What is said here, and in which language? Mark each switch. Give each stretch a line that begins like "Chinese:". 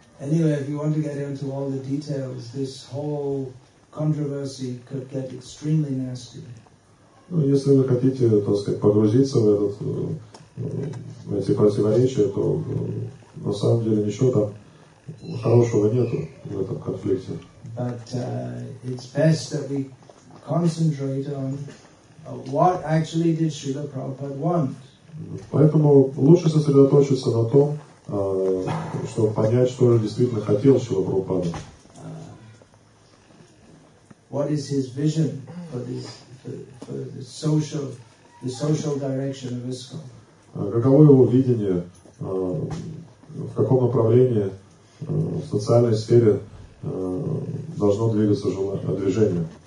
English: Anyway, if you want to get into all the details, this whole controversy could get extremely nasty.
Russian: Ну, если вы хотите, так сказать, погрузиться в этот, в эти противоречия, то на самом деле ничего там хорошего нету в этом конфликте.
English: But it's best that we concentrate on what actually did Srila Prabhupada want.
Russian: Поэтому лучше сосредоточиться на том, чтобы понять, что же действительно хотел Шрила Прабхупада.
English: What is his vision for the social direction of ISKCON?
Russian: Каково его видение, в каком направлении в социальной сфере должно двигаться движение?